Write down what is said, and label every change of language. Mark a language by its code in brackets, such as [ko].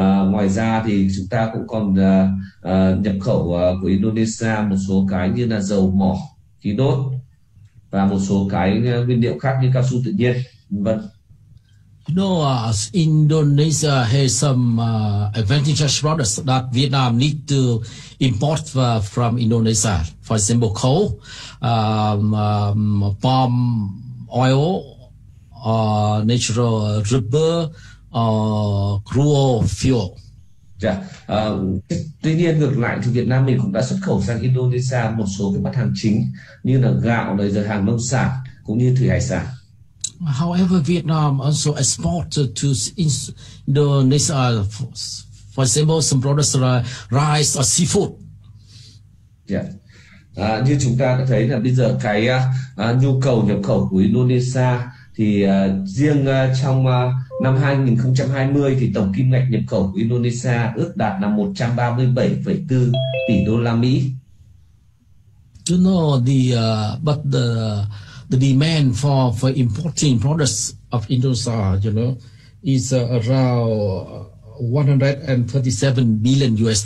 [vi] Ngoài ra thì chúng ta cũng còn nhập khẩu của Indonesia một số cái như là dầu mỏ, khí đốt và một số cái nguyên liệu khác như cao su tự nhiên, vân. [en] You know, Indonesia has some advantage products that Vietnam need to import from Indonesia. For example, coal, palm oil, natural rubber, crude fuel. Yeah. [vi] Tuy nhiên ngược lại thì Việt Nam mình cũng đã xuất khẩu sang Indonesia một số cái mặt hàng chính như là gạo, rồi hàng nông sản cũng như thủy hải sản. [en] However, Vietnam also exported to Indonesia, for example, some products like rice or seafood. Yeah. [vi] Như chúng ta đã thấy là bây giờ cái nhu cầu nhập khẩu của Indonesia thì riêng trong năm 2020 thì tổng kim ngạch nhập khẩu của Indonesia ước đạt là 137.4 tỷ đô la Mỹ. [en] You know the but the demand for importing products of Indonesia, you know, is around $137 billion.